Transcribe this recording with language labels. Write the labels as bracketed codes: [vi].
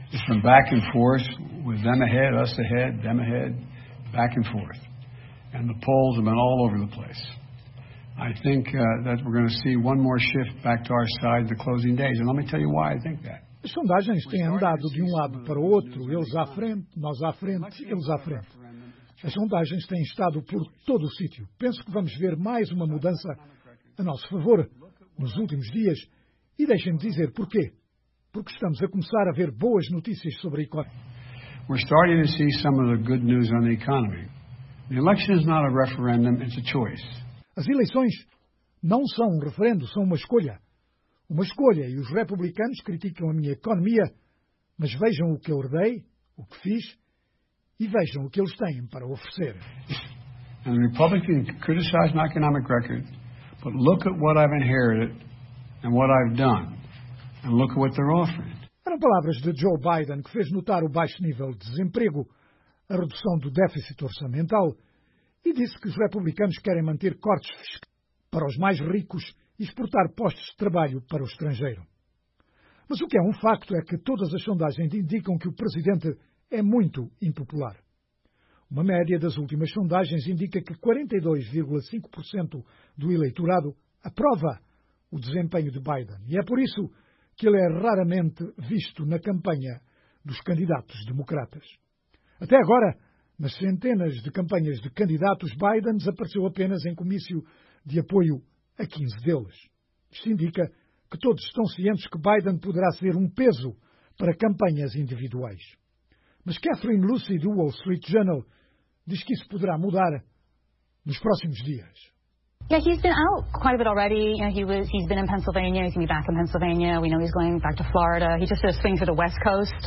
[en] It's from back and forth, with them ahead, us ahead, them ahead, back and forth. And the polls have been all over the place. I think that we're going to see one more shift back to our side the closing days. And let me tell you why I think that. [pt] As sondagens têm andado de um lado para o outro, eles à frente, nós à frente, eles à frente. As sondagens têm estado por todo o sítio. Penso que vamos ver mais uma mudança a nosso favor nos últimos dias. E deixem-me dizer porquê. Porque estamos a começar a ver boas notícias sobre a economia. [en] We're starting to see some of the good news on the economy. The election is not a referendum, it's a choice. [pt] As eleições não são um referendo, são uma escolha. Uma escolha, e os republicanos criticam a minha economia, mas vejam o que eu herdei, o que fiz, e vejam o que eles têm para oferecer. [en] And the Republicans criticize my economic record, but look at what I've inherited and what I've done, and look at what they're offering. [pt] Eram palavras de Joe Biden, que fez notar o baixo nível de desemprego, a redução do déficit orçamental, e disse que os republicanos querem manter cortes fiscais para os mais ricos e exportar postos de trabalho para o estrangeiro. Mas o que é um facto é que todas as sondagens indicam que o presidente é muito impopular. Uma média das últimas sondagens indica que 42,5% do eleitorado aprova o desempenho de Biden, e é por isso que ele é raramente visto na campanha dos candidatos democratas. Até agora, nas centenas de campanhas de candidatos, Biden apareceu apenas em comício de apoio a 15 deles. Isto indica que todos estão cientes que Biden poderá ser um peso para campanhas individuais. Mas Catherine Lucy, do Wall Street Journal, diz que isso poderá mudar nos próximos dias. [en] Yeah, he's been out quite a bit already. You know, he's been in Pennsylvania. He's going to be back in Pennsylvania. We know he's going back to Florida. He just did a swing to the West Coast.